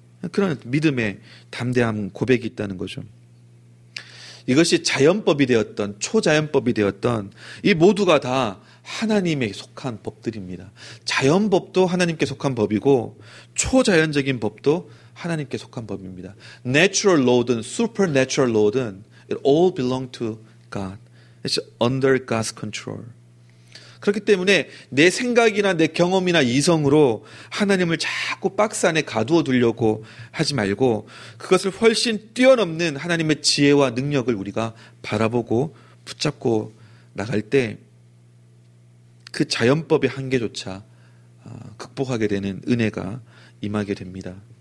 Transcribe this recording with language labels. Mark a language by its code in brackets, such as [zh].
[ko] 그런 믿음의 담대함 고백이 있다는 거죠. 이것이 자연법이 되었던 초자연법이 되었던 이 모두가 다 하나님에 속한 법들입니다. 자연법도 하나님께 속한 법이고 초자연적인 법도 하나님께 속한 법입니다. [en] Natural law든 supernatural law [ko] 든 [en] it all belong to God. It's under God's control. [ko] 그렇기 때문에 내 생각이나 내 경험이나 이성으로 하나님을 자꾸 박스 안에 가두어 두려고 하지 말고 그것을 훨씬 뛰어넘는 하나님의 지혜와 능력을 우리가 바라보고 붙잡고 나갈 때 그 자연법의 한계조차 극복하게 되는 은혜가 임하게 됩니다.